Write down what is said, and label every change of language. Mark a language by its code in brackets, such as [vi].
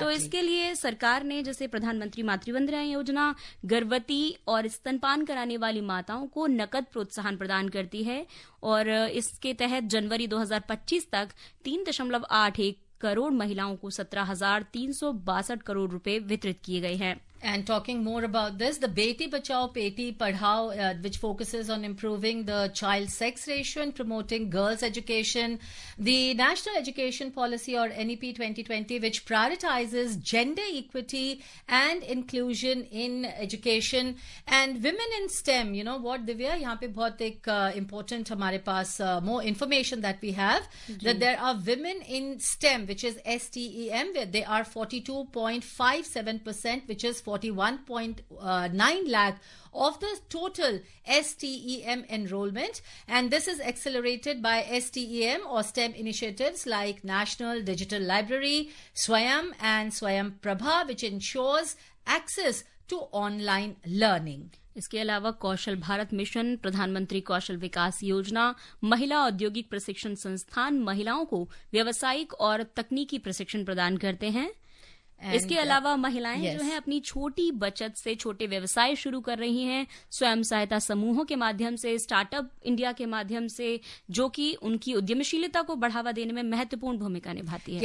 [hi] तो इसके लिए सरकार ने जैसे प्रधानमंत्री मातृवंदना योजना गर्भवती और स्तनपान कराने वाली माताओं को नकद प्रोत्साहन प्रदान करती है और इसके तहत जनवरी 2025 तक 3.81 करोड़ महिलाओं को 17,362 करोड़ रुपए वितरित किए गए हैं. [en] And talking more about this, the Beti Bachao Peti Padhao, which focuses on improving the child sex ratio and promoting girls' education, the National Education Policy or NEP 2020, which prioritizes gender equity and inclusion in education and women in STEM. You know what, Divya? [hi] यहाँ पे बहुत एक important हमारे पास [en] more information that we have [hi] ji. [en] That there are women in STEM, which is STEM, where they are 42.57%, which is 41.9 lakh of the total STEM enrollment, and this is accelerated by STEM or STEM initiatives like National Digital Library, Swayam and Swayam Prabha, which ensures access to online learning. [hi] इसके अलावा कौशल Bharat mission, प्रधानमंत्री कौशल विकास योजना, महिला औद्योगिक प्रशिक्षण संस्थान महिलाओं को व्यावसायिक और तकनीकी प्रशिक्षण प्रदान करते हैं. And इसके अलावा महिलाएं yes. जो हैं अपनी छोटी बचत से छोटे व्यवसाय शुरू कर रही हैं, स्वयं सहायता समूहों के माध्यम से, स्टार्टअप इंडिया के माध्यम से, जो कि उनकी उद्यमशीलता को बढ़ावा देने में महत्वपूर्ण भूमिका निभाती है.